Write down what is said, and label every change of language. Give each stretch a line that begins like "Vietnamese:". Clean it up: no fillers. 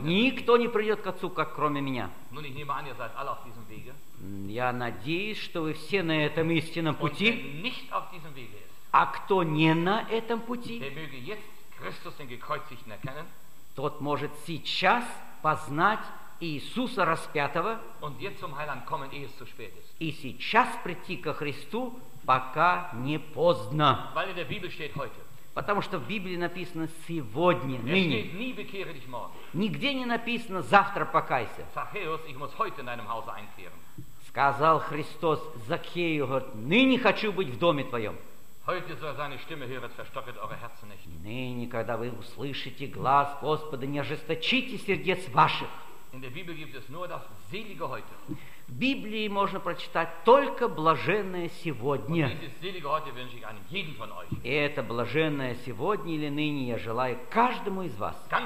Russian: Никто не придет к Отцу, как кроме меня.
German: Nun, ich nehme an, ihr seid alle auf diesem Wege.
Russian: Я надеюсь, что вы все на этом истинном пути.
German: Und wer nicht auf diesem Wege ist,
Russian: а кто не на этом пути,
German: der möge jetzt Christus den Gekreuzigten erkennen,
Russian: тот может сейчас познать Иисуса распятого
German: und jetzt zum Heiland kommen, ehe es zu spät ist.
Russian: И сейчас прийти ко Христу, пока не поздно.
German: Weil in der Bibel steht heute.
Russian: Потому что в Библии написано сегодня, ныне.
German: Steht, nie bekehre dich morgen.
Russian: Нигде не написано завтра покайся.
German: Zachäus, ich muss heute in deinem Hause einkehren.
Russian: Сказал Христос Закхею, говорит, ныне хочу быть в доме твоем.
German: Heute soll seine Stimme hören, verstocket eure Herzen nicht.
Russian: Ныне, когда вы услышите глас Господа, не ожесточите сердец ваших.
German: In der Bibel gibt es nur das Selige heute.
Russian: В Библии можно прочитать только блаженное сегодня. И это блаженное сегодня или ныне я желаю каждому из вас.